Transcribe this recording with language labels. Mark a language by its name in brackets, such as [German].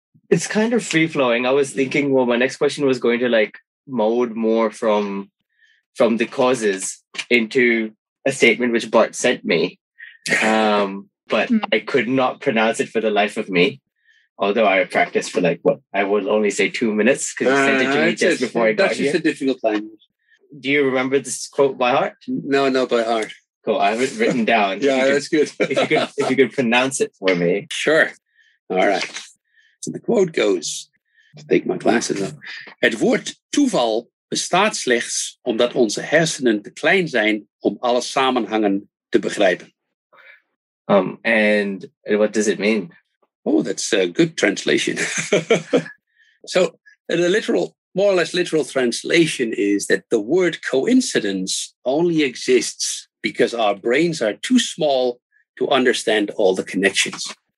[English] It's kind of free-flowing. I was thinking, well, my next question was going to like mold more from the causes into a statement which Bart sent me, but I could not pronounce it for the life of me, although I practiced for like, what, I will only say 2 minutes because he sent it to me just before I got here. That's just a difficult language. Do you remember this quote by heart? No, not by heart. Cool, I have it written down. Yeah, that's good. if you could pronounce it for me. Sure. All right. So the quote goes, I'll take my glasses off. [Dutch] Het woord toeval bestaat slechts omdat onze hersenen te klein zijn om alle samenhangen te begrijpen. [English] And what does it mean? Oh, that's a good translation. So the literal, more or less literal translation is that the word coincidence only exists because our brains are too small to understand all the connections.